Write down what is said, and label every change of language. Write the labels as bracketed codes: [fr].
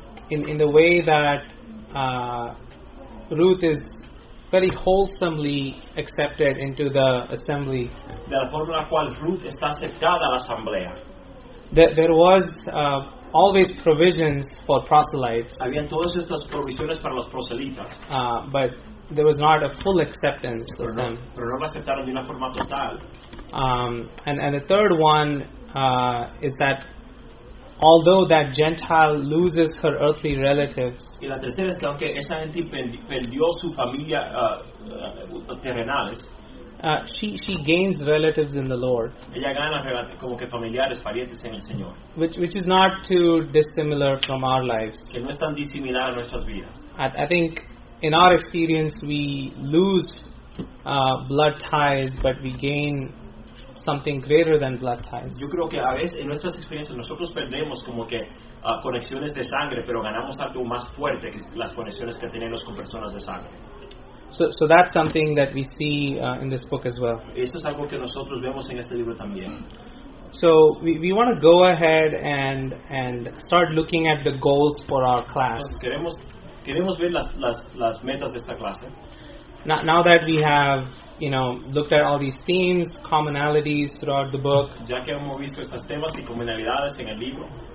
[en] In the way that Ruth is very wholesomely accepted into the assembly. [es] De la forma en la cual Ruth está aceptada a la asamblea. [en] There was always provisions for proselytes. [es] Habían todas estas provisiones para los proselitas. [en] But there was not a full acceptance [es] pero [en] of them. [es] Pero no lo aceptaron de una forma total. [en] And the third one is that although that Gentile loses her earthly relatives, [es] y la tercera es que aunque esta gente perdió su familia terrenales, [en] She gains relatives in the Lord. [es] Ella gana como que familiares, parientes en el Señor. [en] Which is not too dissimilar from our lives. [es] Que no es tan disimilar a nuestras vidas. [en] I think in our experience we lose blood ties, but we gain something greater than blood ties. [es] Yo creo que a veces en nuestras experiencias nosotros perdemos como que conexiones de sangre, pero ganamos algo más fuerte que las conexiones que tenemos con personas de sangre. [en] So that's something that we see in this book as well. [es] Esto es algo que nosotros vemos en este libro también. [en] So we want to go ahead and start looking at the goals for our class. [es] Entonces, queremos ver las metas de esta clase. [en] Now that we have, you know, looked at all these themes, commonalities throughout the book. [es] Ya que hemos visto estos temas y comunalidades en el libro.